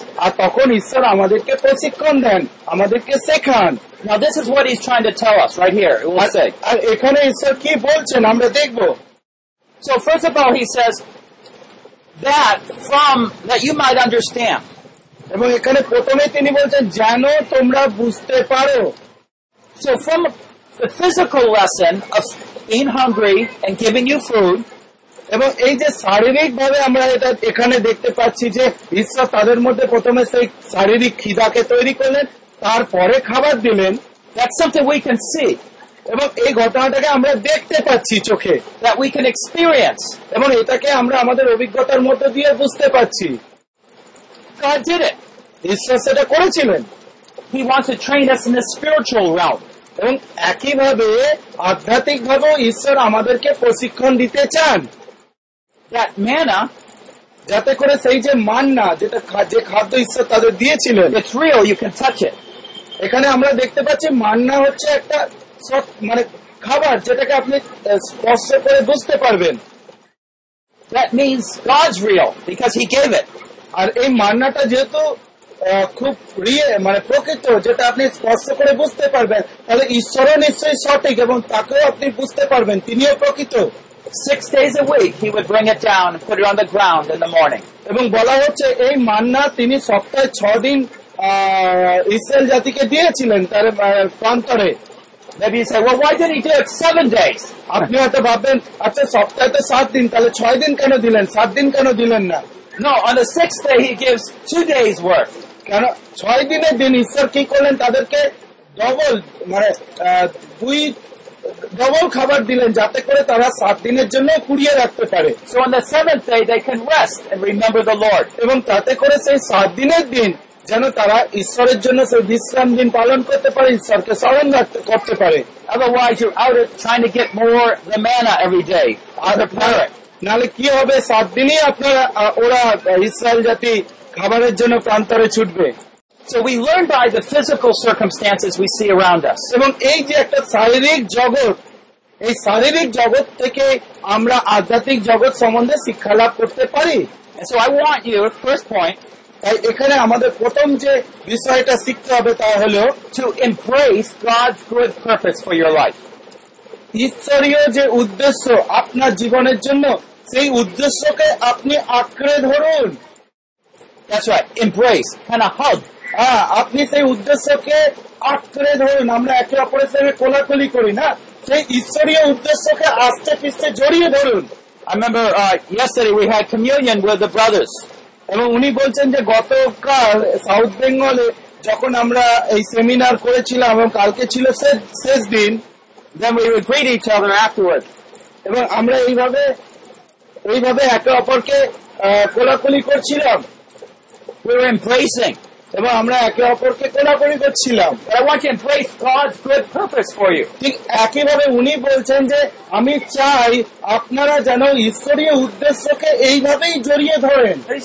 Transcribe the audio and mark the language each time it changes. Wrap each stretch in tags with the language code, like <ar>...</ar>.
<bn>আর তখন ঈশ্বর আমাদেরকে প্রশিক্ষণ দেন, আমাদেরকে শেখান.</bn> <en>Now this is what he's trying to tell us right here. We'll see.</en> <bn>আর এখানে ঈশ্বর কি বলছেন আমরা দেখব.</bn> <en>So first of all he says that from that you might understand.</en> <bn>এবং এখানে প্রথমে তিনি বলছেন যেন তোমরা বুঝতে পারো.</bn> <en>So from the physical lesson of being hungry and giving you food,</en> <bn>এবং এই যে শারীরিক ভাবে আমরা এটা এখানে দেখতে পাচ্ছি যে ঈশ্বর তাদের মধ্যে প্রথমে সেই শারীরিক খিদাকে তৈরি করলেন, তারপরে খাবার দিলেন.</bn> <en>That's something we can see.</en> <bn>এবং এই ঘটনাটাকে আমরা দেখতে পাচ্ছি চোখে.</bn> <en>That we can experience.</en> <bn>এবং এটাকে আমরা আমাদের অভিজ্ঞতার মধ্যে দিয়ে বুঝতে পাচ্ছি.</bn> <en>God did it.</en> <bn>ঈশ্বর সেটা করেছিলেন.</bn> <en>He wants to train us in the spiritual realm.</en> <bn>এবং একইভাবে আধ্যাত্মিক ভাবে ঈশ্বর আমাদেরকে প্রশিক্ষণ দিতে চান.</bn> <en>That manna,</en> <bn>যাতে করে সেই যে মান্না যেটা যে খাদ্য ঈশ্বর তাদের দিয়েছিলেন,</bn> <en>it's real, you can touch it.</en> <bn>এখানে আমরা দেখতে পাচ্ছি মান্না হচ্ছে একটা মানে খাবার যেটাকে আপনি স্পর্শ করে বুঝতে পারবেন.</bn> <en>That means God's real because he gave it.</en> <bn>আর এই মান্নাটা যেহেতু খুব মানে প্রকৃত যেটা আপনি স্পর্শ করে বুঝতে পারবেন, তাহলে ঈশ্বরও নিশ্চয়ই সঠিক এবং তাকেও আপনি বুঝতে পারবেন, তিনিও প্রকৃত.</bn> <en>Six days a week he would bring it down and put it on the ground in the morning.</en> <bn>এবং বলা হচ্ছে এই মান্না তিনি সপ্তাহে 6 দিন ইসরায়েল জাতিকে দিয়েছিলেন তার প্রান্তরে.</bn> <en>Maybe you say, well, why didn't he do it 7 days?</en> <bn>আপনি হয়তো ভাববেন আচ্ছা সপ্তাহে তো 7 দিন, তাহলে 6 দিন কেন দিলেন, 7 দিন কেন দিলেন না?</bn> <en>No, on the sixth day he gives 2 days worth.</en> <bn>কারণ 6 দিনের দিন ঈশ্বর কি করলেন তাদেরকে ডবল মানে দুই ডবল খাবার দিলেন যাতে করে তারা সাত দিনের জন্য কুড়িয়ে রাখতে পারে।</bn> <en>So on the seventh day they can rest and remember the Lord.</en> <bn>এবং তাতে করে সেই সাত দিনের দিন যেন তারা ঈশ্বরের জন্য সেই বিশ্রাম দিন পালন করতে পারে, ঈশ্বরকে স্মরণ করতে পারে।</bn> <en>Otherwise you're out trying to get more the manna every day.</en> <bn>নাহলে কি হবে, সাত দিনই আপনারা ওরা ইসরায়েল জাতি খাবারের জন্য প্রান্তরে ছুটবে।</bn> <en>So we learn by the physical circumstances we see around us.</en> <bn>এবং এই যে একটা শারীরিক জগৎ, এই শারীরিক জগৎ থেকে আমরা আধ্যাত্মিক জগৎ সম্বন্ধে শিক্ষা লাভ করতে পারি।</bn> <en>So I want your first point.</en> <bn>তাই এখানে আমাদের প্রথম যে বিষয়টা শিখতে হবে তা হল</bn> <en>to embrace God's good purpose for your life.</en> <bn>ঈশ্বরীয় যে উদ্দেশ্য আপনার জীবনের জন্য, সেই উদ্দেশ্যকে আপনি আঁকড়ে ধরুন।</bn> <en>That's right, embrace, kind of hug.</en> <bn>আপনি সেই উদ্দেশ্যকে আঁকড়ে ধরুন। আমরা একে অপরের সঙ্গে কোলাকুলি করি না, সেই ঈশ্বরীয় উদ্দেশ্যকে আস্তে পিস্তে জড়িয়ে ধরুন।</bn> <en>I remember yesterday we had communion with the brothers.</en> <bn>এবং উনি বলছেন যে গতকাল সাউথ বেঙ্গলে যখন আমরা এই সেমিনার করেছিলাম এবং কালকে ছিল শেষ দিন,</bn> <en>then we would greet each other afterwards.</en> <bn>এবং আমরা এইভাবে এইভাবে একে অপরকে কোলাকুলি করছিলাম,</bn> <en>we were embracing.</en> <bn>এবং আমরা একে অপরকে কোলাকুলি করছিলাম।</bn> <en>But I want to embrace God's good purpose for you.</en> <bn>ঠিক একইভাবে উনি বলছেন যে আমি চাই আপনারা যেন ঈশ্বরীয় উদ্দেশ্যকে এইভাবেই জড়িয়ে ধরেন।</bn>